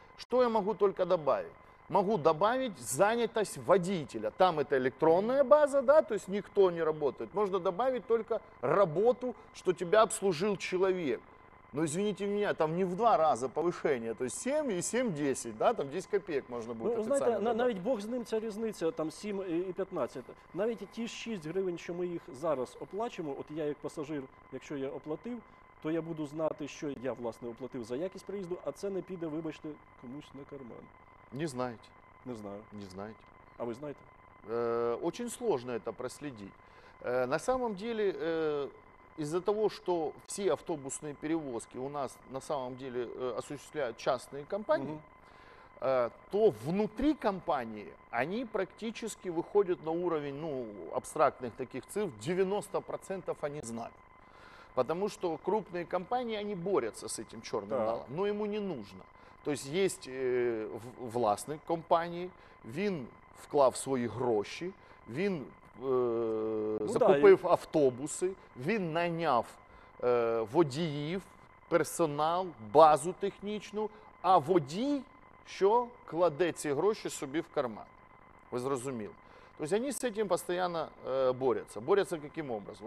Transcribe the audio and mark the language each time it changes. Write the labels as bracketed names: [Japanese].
[Russian] Что я могу только добавить? Могу добавить занятость водителя. Там это электронная база, да, то есть никто не работает. Можно добавить только работу, что тебя обслужил человек. Но извините меня, там не в два раза повышение, то есть 7 и 7, 10, да, там 10 копеек можно будет официально добавить. [Ukrainian] Знаете, навіть Бог з ним, ця різниця, там 7 і 15, навіть ті 6 гривень, що ми їх зараз оплачимо, от я як пасажир, якщо я оплатив, то я буду знати, що я, власне, оплатив за якість приїзду, а це не піде, вибачте, комусь на карман. Не знаєте. Не знаю. Не знаєте. А ви знаєте? [Russian] Очень сложно это проследить. На самом деле, из-за того, что все автобусные перевозки у нас на самом деле осуществляют частные компании, то внутри компании они практически выходят на уровень, ну, абстрактных таких цифр, 90% они знают. Потому что крупные компании, они борются с этим черным налом, но ему не нужно. То есть есть властные компании, [Ukrainian] він вклав свои гроши, він закупив автобуси, він найняв водіїв, персонал, базу технічну, а водій що кладе ці гроші собі в карман. Ви зрозуміли? [Russian] То есть они с этим постоянно борются. Борются каким образом?